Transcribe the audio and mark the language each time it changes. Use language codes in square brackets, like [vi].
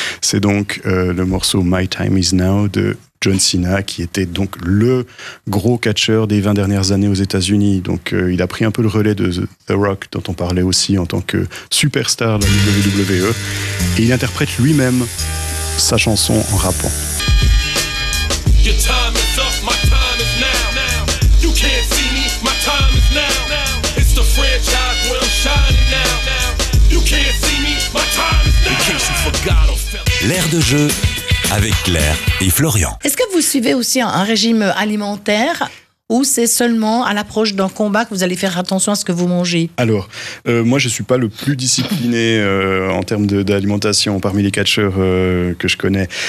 [fr] C'est donc le morceau « [en] My Time Is Now [fr] » de John Cena, qui était donc le gros catcheur des 20 dernières années aux États-Unis. Donc il a pris un peu le relais de The Rock, dont on parlait aussi en tant que superstar de la WWE. Et il interprète lui-même sa chanson en rappant. [en] Your time is up, my time is now. You can't see me, my time is now. It's the franchise where I'm shining now. You can't see me, my time is now. In case you forgot or felt. [fr] L'air de jeu avec Claire et Florian. Est-ce que vous suivez aussi un régime alimentaire ? Ou c'est seulement à l'approche d'un combat que vous allez faire attention à ce que vous mangez ? Alors, moi je ne suis pas le plus discipliné en termes d'alimentation parmi les catcheurs que je connais.